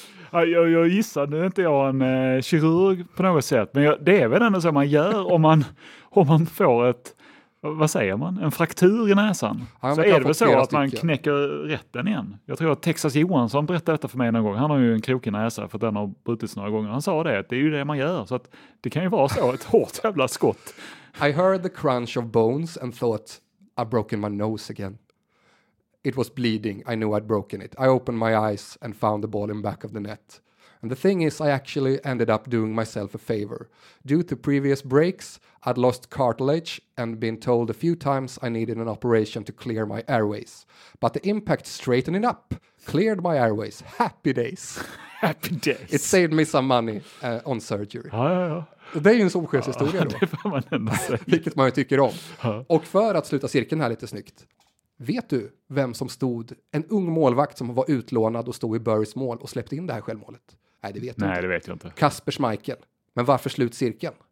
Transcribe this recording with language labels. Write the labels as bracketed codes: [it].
[sv] Jag gissar, nu är inte jag en kirurg på något sätt, men det är väl ändå så man gör om man får ett, vad säger man, en fraktur i näsan. Ja, så är det väl så att man knäcker rätten igen. Jag tror att Texas Johansson berättade detta för mig någon gång. Han har ju en krokig näsa för att den har brutits några gånger. Han sa det, att det är ju det man gör. Så att det kan ju vara så, ett hårt jävla skott. [en] I heard the crunch of bones and thought I've broken my nose again. It was bleeding. I knew I'd broken it. I opened my eyes and found the ball in back of the net. And the thing is, I actually ended up doing myself a favor. Due to previous breaks, I'd lost cartilage and been told a few times I needed an operation to clear my airways. But the impact straightened it up, cleared my airways. Happy days. Happy days. It saved me some money on surgery. [sv] Ja, ja, ja. Det är ju en solskens historia då. Det får man ändå säga. Vilket man ju tycker om. Och för att sluta cirkeln här lite snyggt. Vet du vem som stod, en ung målvakt som var utlånad och stod i Burrys mål och släppte in det här självmålet? Nej, det vet du nej, inte. Nej, det vet jag inte. Kasper Schmeichel. Men varför slut cirkeln?